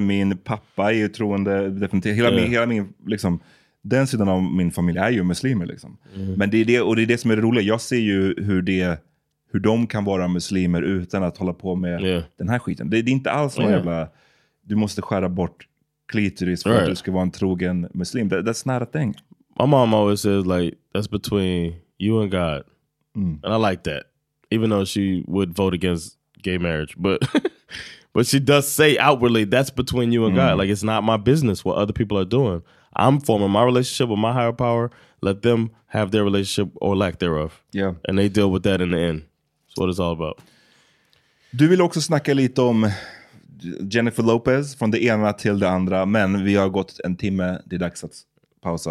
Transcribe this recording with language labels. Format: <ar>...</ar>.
<sv>Min pappa är ju troende. Definitivt. Hela min, liksom, den sidan av min familj är ju muslimer. Liksom. Mm. Men det är det, och det är det som är det roliga. Jag ser ju hur de kan vara muslimer utan att hålla på med den här skiten. Det är inte alls så jävla... Du måste skära bort klitoris för att du ska vara en trogen muslim.</sv> <en>That's not a thing. My mom always says, like, that's between you and God. Mm. And I like that. Even though she would vote against gay marriage. But but she does say outwardly, that's between you and God. Like, it's not my business what other people are doing. I'm forming my relationship with my higher power. Let them have their relationship or lack thereof. Yeah. And they deal with that in the end. That's what it's all about.</en> <sv>Du vill också snacka lite om Jennifer Lopez, från det ena till det andra, men vi har gått en timme, det är dags att pausa.</sv>